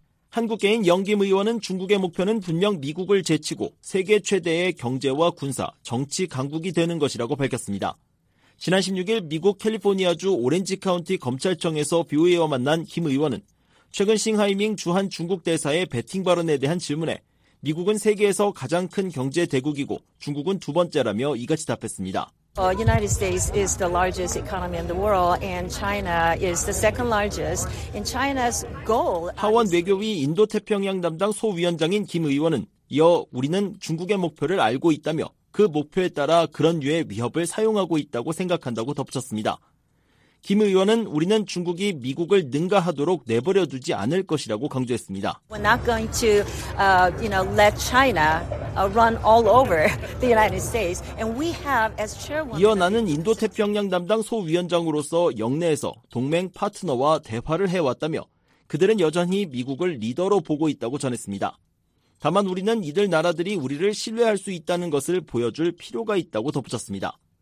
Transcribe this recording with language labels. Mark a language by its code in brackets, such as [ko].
[ko] 한국계인 영김 의원은 중국의 목표는 분명 미국을 제치고 세계 최대의 경제와 군사, 정치 강국이 되는 것이라고 밝혔습니다. 지난 16일 미국 캘리포니아주 오렌지 카운티 검찰청에서 BOA와 만난 김 의원은 최근 싱하이밍 주한 중국 대사의 배팅 발언에 대한 질문에 미국은 세계에서 가장 큰 경제 대국이고 중국은 두 번째라며 이같이 답했습니다. [en] United States is the largest economy in the world and China is the second largest. In China's goal. [ko] 하원 외교위 인도태평양 담당 소위원장인 김 의원은 이어 우리는 중국의 목표를 알고 있다며 그 목표에 따라 그런 류의 위협을 사용하고 있다고 생각한다고 덧붙였습니다. 김 의원은 우리는 중국이 미국을 능가하도록 내버려 두지 않을 것이라고 강조했습니다. [en] We're not going to, you know, let China run all over the United States. And we have as chairwoman. [ko] 이어 나는 인도태평양 담당 소위원장으로서 영내에서 동맹 파트너와 대화를 해왔다며 그들은 여전히 미국을 리더로 보고 있다고 전했습니다. 다만 우리는 이들 나라들이 우리를 신뢰할 수 있다는 것을 보여줄 필요가 있다고 덧붙였습니다.